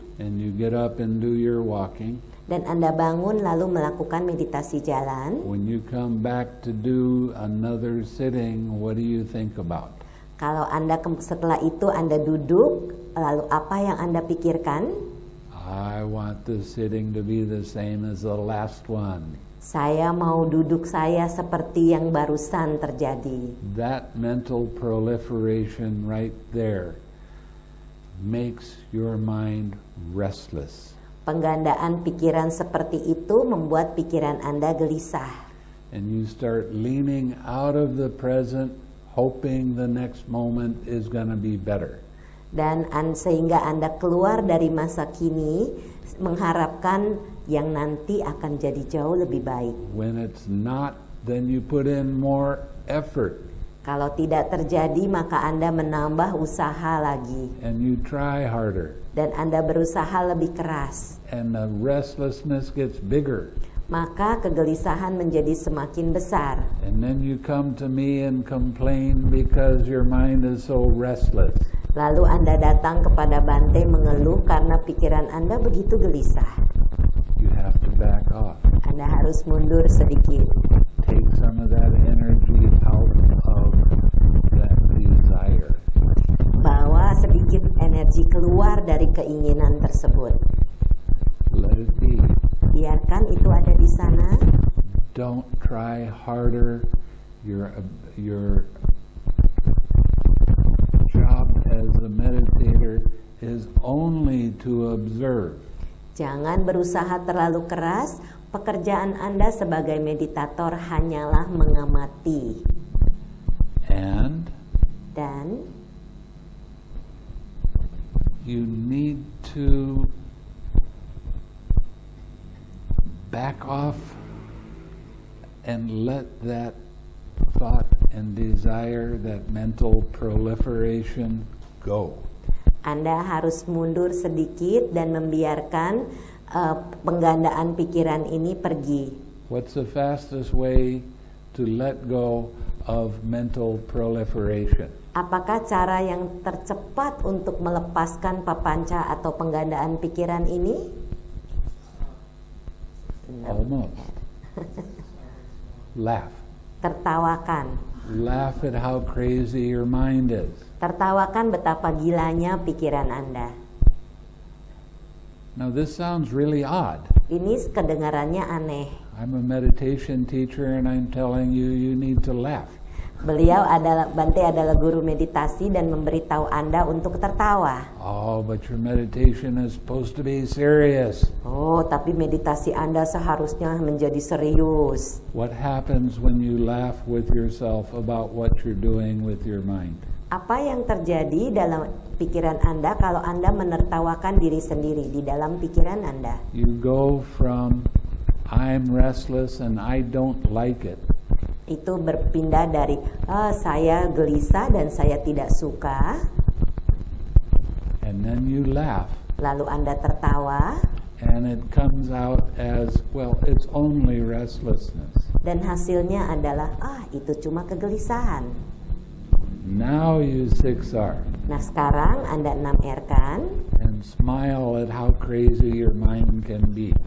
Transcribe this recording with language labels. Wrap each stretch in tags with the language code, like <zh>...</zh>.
<en>and you get up and do your walking,</en> <id>dan Anda bangun lalu melakukan meditasi jalan,</id> <en>when you come back to do another sitting, what do you think about?</en> <id>Kalau Anda setelah itu Anda duduk, lalu apa yang Anda pikirkan?</id> <en>I want this sitting to be the same as the last one.</en> <id>Saya mau duduk saya seperti yang barusan terjadi.</id> <en>That mental proliferation right there makes your mind restless.</en> <id>Penggandaan pikiran seperti itu membuat pikiran Anda gelisah.</id> <en>And you start leaning out of the present, hoping the next moment is going to be better.</en> <id>Dan sehingga Anda keluar dari masa kini mengharapkan yang nanti akan jadi jauh lebih baik.</id> <en>When it's not, then you put in more effort.</en> <id>Kalau tidak terjadi, maka Anda menambah usaha lagi.</id> <en>And you try harder.</en> <id>Dan Anda berusaha lebih keras.</id> <en>And the restlessness gets bigger.</en> <id>Maka kegelisahan menjadi semakin besar.</id> <en>And then you come to me and complain because your mind is so restless.</en> <id>Lalu Anda datang kepada Bante mengeluh karena pikiran Anda begitu gelisah.</id> <en>You have to back off.</en> <id>Anda harus mundur sedikit.</id> <en>Take some of that energy out of that desire.</en> <id>Bawa sedikit energi keluar dari keinginan tersebut.</id> <en>Let it be.</en> <id>Biarkan itu ada di sana.</id> <en>Don't try harder. your job as a meditator is only to observe.</en> <id>Jangan berusaha terlalu keras. Pekerjaan Anda sebagai meditator hanyalah mengamati.</id> <en>And</en> <id>dan</id> <en>you need to back off and let that thought and desire, that mental proliferation, go.</en> <id>Anda harus mundur sedikit dan membiarkan penggandaan pikiran ini pergi.</id> <en>What's the fastest way to let go of mental proliferation?</en> <id>Apakah cara yang tercepat untuk melepaskan pepanca atau penggandaan pikiran ini?</id> <en>Almost. Laugh.</en> <id>Tertawakan.</id> <en>Laugh at how crazy your mind is.</en> <id>Tertawakan betapa gilanya pikiran Anda.</id> <en>Now this sounds really odd.</en> <id>Ini kedengarannya aneh.</id> <en>I'm a meditation teacher and I'm telling you, you need to laugh.</en> <id>Beliau adalah, Bante adalah guru meditasi dan memberitahu Anda untuk tertawa.</id> <en>Oh, but your meditation is supposed to be serious.</en> <id>Oh, tapi meditasi Anda seharusnya menjadi serius.</id> <en>What happens when you laugh with yourself about what you're doing with your mind?</en> <id>Apa yang terjadi dalam pikiran Anda kalau Anda menertawakan diri sendiri di dalam pikiran Anda?</id> <en>You go from I'm restless and I don't like it.</en> <id>Itu berpindah dari saya gelisah dan saya tidak suka.</id> <en>And then you laugh.</en> <id>Lalu Anda tertawa.</id> <en>And it comes out as, well, it's only restlessness.</en> <id>Dan hasilnya adalah itu cuma kegelisahan.</id> <en>Now you 6R.</en> <id>Nah, sekarang Anda 6R kan?</id> <en>And smile at how crazy your mind can be.</en>